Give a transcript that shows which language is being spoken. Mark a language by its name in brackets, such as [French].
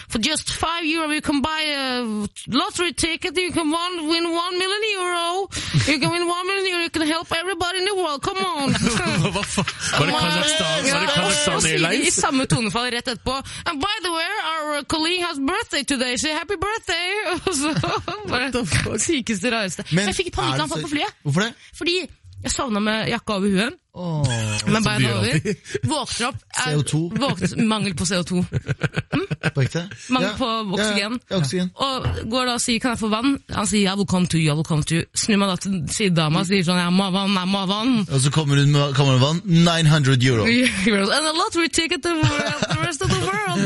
[English] For just 5 euro, you can buy a lottery ticket, you can win 1 million euro. You can win 1 million euro, you can help everybody in the world. Come on. [Norwegian] Hva faen? Var det Kazakhstan Airlines? I samme tonefall rett etterpå. [English] And by the way, our colleague has birthday today. Say happy birthday. [Norwegian] Bare sykeste, rareste. Men jeg fikk panikk anfall på flyet. Hvorfor det? Fordi jeg sovnet med jakka over huden, med beina over, våkner opp, mangel på CO2. Mangel på oksygen. Ja, oksygen. Og går da og sier, kan jeg få vann? Han sier, [English] I will come to you. [Norwegian] Snur meg da til sidedama, sier sånn, jeg må ha vann. Og så kommer hun med vann, 900 euro. [English] And a lottery ticket to the rest of the world.